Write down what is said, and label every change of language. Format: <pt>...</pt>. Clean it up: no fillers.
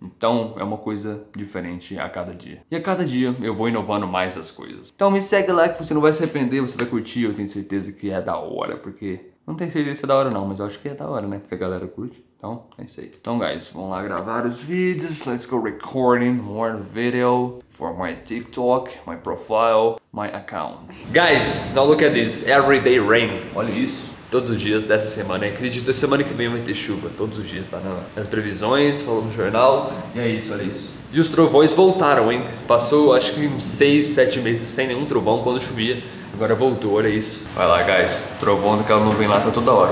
<pt>Então é uma coisa diferente a cada dia. E a cada dia eu vou inovando mais as coisas. Então me segue lá que você não vai se arrepender, você vai curtir, eu tenho certeza que é da hora, porque... Não tem certeza se é da hora não, mas eu acho que é da hora, né? Porque a galera curte. Então, é isso aí. Então, guys, vamos lá gravar os vídeos.</pt> <en>Let's go recording more video for my TikTok, my profile, my account. Guys, now look at this. Everyday rain.</en> <pt>Olha isso. Todos os dias dessa semana. Acredito que semana que vem vai ter chuva. Todos os dias, tá? As previsões, falou no jornal. E é isso, olha isso. E os trovões voltaram, hein? Passou, acho que uns 6, 7 meses sem nenhum trovão quando chovia. Agora voltou, olha isso. Vai lá, guys. Trovão daquela nuvem lá tá toda hora.</pt>